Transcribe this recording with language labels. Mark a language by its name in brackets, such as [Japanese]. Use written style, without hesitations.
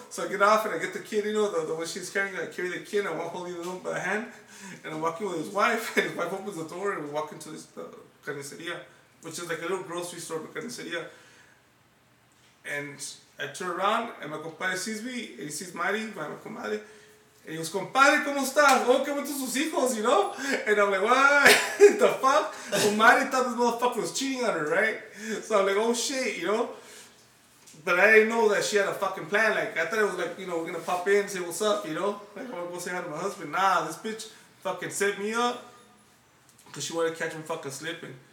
[English] So I get off and I get the kid, you know, the one she's carrying, I carry the kid, I won't hold you the by the hand. And I'm walking with his wife, and his wife opens the door, and we walk into this carniceria, which is like a little grocery store, but carniceria. And I turn around, and my compadre sees me, and he sees Mari, my comadre. And he goes, [Spanish] compadre, ¿cómo estás? Oh, ¿qué bonitos sus hijos, [English] you know? And I'm like, what the fuck? So Mari thought this motherfucker was cheating on her, right? So I'm like, oh, shit, you know? But I didn't know that she had a fucking plan. Like, I thought it was like, you know, we're going to pop in and say, what's up, you know? Like, I'm going to go say hi to my husband. Nah, this bitch fucking set me up because she wanted to catch him fucking slipping.